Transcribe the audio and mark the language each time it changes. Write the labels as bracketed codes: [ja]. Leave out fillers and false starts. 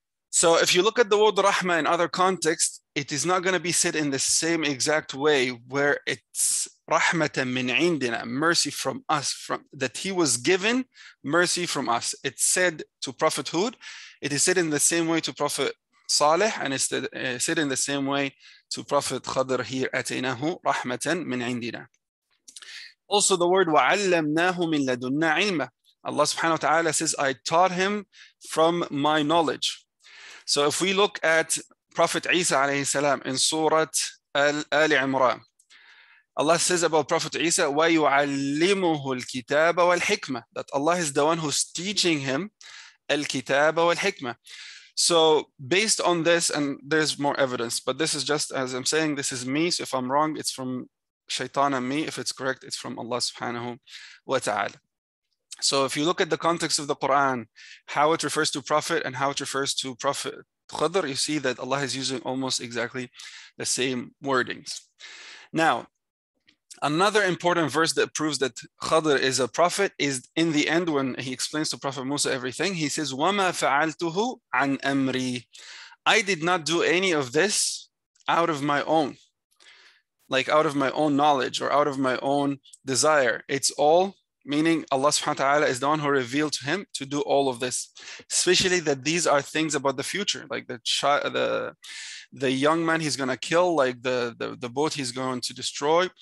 [en] So if you look at the word rahma in other contexts, it is not going to be said in the same exact way where it's [ar] rahmatan min indina, [en] mercy from us, from that he was given mercy from us. It's said to Prophet Hud, it is said in the same way to Prophet Salih, and it's said in the same way to Prophet Khadr here, [ar] أَتَيْنَاهُ رَحْمَةً مِنْ عِنْدِنَا. [en] Also the word [ar] وَعَلَّمْنَاهُ مِنْ لَدُنَّا عِلْمًا. [en] Allah subhanahu wa ta'ala says, I taught him from my knowledge. So if we look at Prophet Isa alayhi salam in Surah Al Imran, Allah says about Prophet Isa, [ar] وَيُعَلِّمُهُ الْكِتَابَ وَالْحِكْمَةَ, [en] that Allah is the one who's teaching him الْكِتَابَ وَالْحِكْمَةَ. So based on this, and there's more evidence, but this is just as I'm saying, this is me. So if I'm wrong, it's from Shaitan and me. If it's correct, it's from Allah subhanahu wa ta'ala. So if you look at the context of the Quran, how it refers to Prophet and how it refers to Prophet Khidr, you see that Allah is using almost exactly the same wordings. Now, another important verse that proves that Khadr is a prophet is in the end when he explains to Prophet Musa everything. He says, [ar] وَمَا فَعَلْتُهُ عَنْ أَمْرِي. [en] I did not do any of this out of my own, like out of my own knowledge or out of my own desire. It's all, meaning Allah subhanahu wa ta'ala is the one who revealed to him to do all of this, especially that these are things about the future, like the young man he's going to kill, like the boat he's going to destroy.